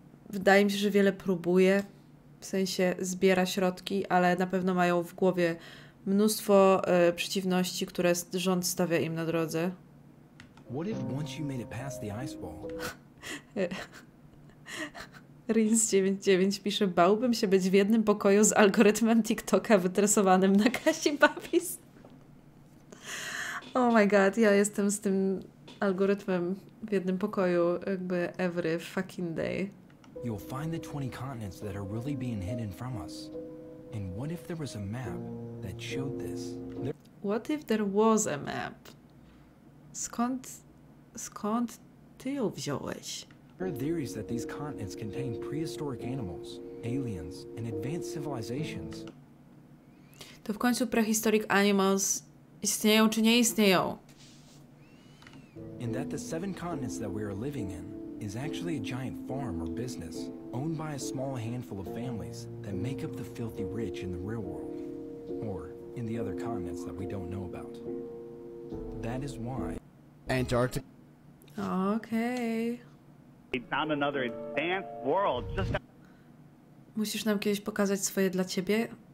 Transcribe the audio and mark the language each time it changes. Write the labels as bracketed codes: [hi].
[pl] Wydaje mi się, że wiele próbuje, w sensie zbiera środki, ale na pewno mają w głowie mnóstwo przeciwności, które rząd stawia im na drodze. [en] What if once you made it past the ice wall? [pl] Rins99 pisze, bałbym się być w jednym pokoju z algorytmem TikToka wytresowanym na Kasi Babis. [en] Oh my god, [pl] ja jestem z tym algorytmem w jednym pokoju jakby [en] every fucking day. You'll find the 20 continents that are really being hidden from us. And what if there was a map that showed this? What if there was a map? [pl] Skąd ty ją wziąłeś? [en] There are theories that these continents contain prehistoric animals, aliens, and advanced civilizations. [pl] To w końcu [en] prehistoric animals [pl] istnieją czy nie istnieją? [en] And that the 7 continents that we are living in is actually a giant farm or business owned by a small handful of families that make up the filthy rich in the real world, or in the other continents that we don't know about. That is why Antarctica. Okay. Found another advanced world. [pl] Just musisz nam kiedyś pokazać swoje dla ciebie?